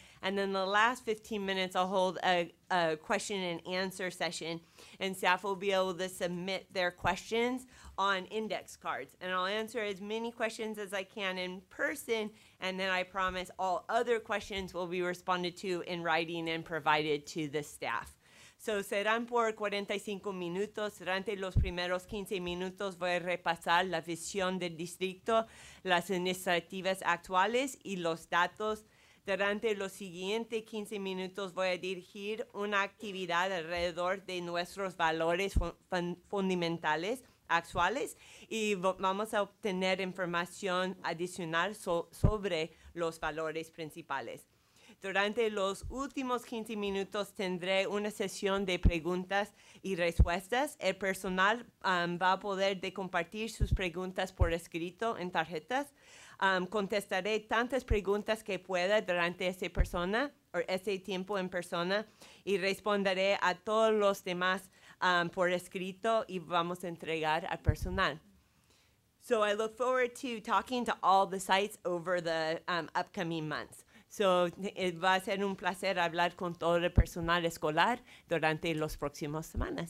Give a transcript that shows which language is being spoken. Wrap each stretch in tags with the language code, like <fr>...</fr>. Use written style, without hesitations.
<en>And then the last 15 minutes, I'll hold a question and answer session, and staff will be able to submit their questions on index cards. And I'll answer as many questions as I can in person, and then I promise all other questions will be responded to in writing and provided to the staff.</en> <es>So serán por 45 minutos. Durante los primeros 15 minutos voy a repasar la visión del distrito, las iniciativas actuales y los datos Durante los siguientes 15 minutos voy a dirigir una actividad alrededor de nuestros valores fundamentales actuales y vamos a obtener información adicional sobre los valores principales. Durante los últimos 15 minutos tendré una sesión de preguntas y respuestas. El personal va a poder compartir sus preguntas por escrito en tarjetas. Contestaré tantas preguntas que pueda durante esa persona o ese tiempo en persona y responderé a todos los demás por escrito y vamos a entregar al personal.</es> <en>So I look forward to talking to all the sites over the upcoming months.</en> <es>So va a ser un placer hablar con todo el personal escolar durante los próximos semanas.</es>